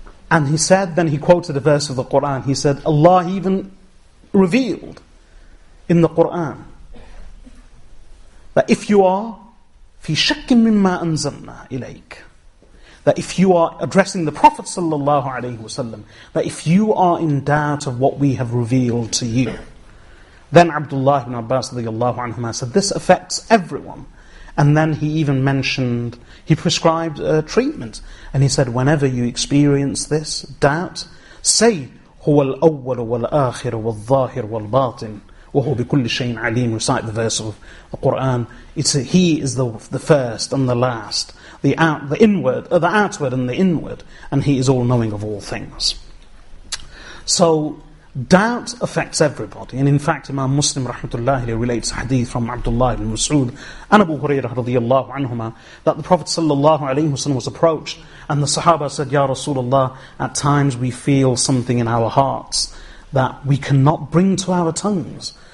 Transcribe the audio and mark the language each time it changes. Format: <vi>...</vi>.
<en>And he said, then he quoted a verse of the Qur'an. He said, Allah even revealed in the Qur'an that if you are</en> <ar>fi shakkin mimma anzalna ilayk,</ar> <en>that if you are addressing the Prophet sallallahu alayhi wa sallam, that if you are in doubt of what we have revealed to you, then Abdullah ibn Abbas radiallahu anhuma said, this affects everyone. And then he even mentioned, he prescribed a treatment. And he said, whenever you experience this doubt, say,</en> <ar>هو الأول والآخر والظاهر والباطن وهو بكل شيء عليم.</ar> <en>Recite the verse of the Qur'an. It's he is the first and the last, the outward and the inward, and he is all-knowing of all things. So doubt affects everybody. And in fact, Imam Muslim rahmatullahi relates a hadith from Abdullah ibn Mas'ud and Abu Hurairah radiyallahu anhuma that the Prophet sallallahu alayhi wa sallam was approached and the Sahaba said, Ya Rasulullah, at times we feel something in our hearts that we cannot bring to our tongues.</en>